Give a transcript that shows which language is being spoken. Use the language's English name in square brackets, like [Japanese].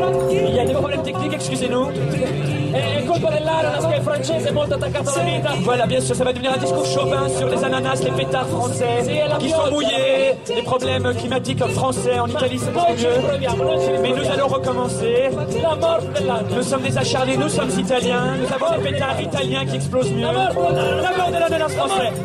[French] Il y a des problèmes techniques, excusez-nous. [Italian] È colpa dell'ananas che è francese, molto attaccata alla vita. [French] Voilà, bien sûr, ça va devenir un discours Chauvin sur les ananas, les pétards français, qui sont mouillés, les problèmes climatiques français en Italie, c'est pas mieux. Mais nous allons recommencer. La mort de l'ananas. Nous sommes des acharnés, nous sommes italiens, nous avons des pétards italiens qui explosent mieux. La mort de l'ananas français,